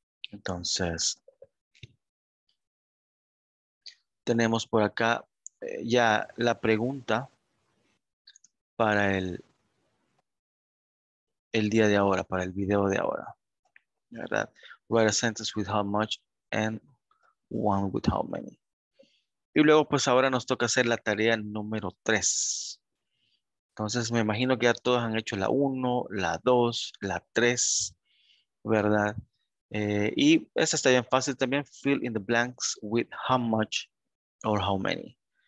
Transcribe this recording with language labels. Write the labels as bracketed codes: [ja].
[es] Entonces, tenemos por acá ya la pregunta para el día de ahora, para el video de ahora, ¿verdad? [en] Write a sentence with how much and one with how many. [es] Y luego, pues ahora nos toca hacer la tarea número 3. Entonces, me imagino que ya todos han hecho la 1, la 2, la 3, ¿verdad? Y esa está bien fácil también, [en] fill in the blanks with how much or how many.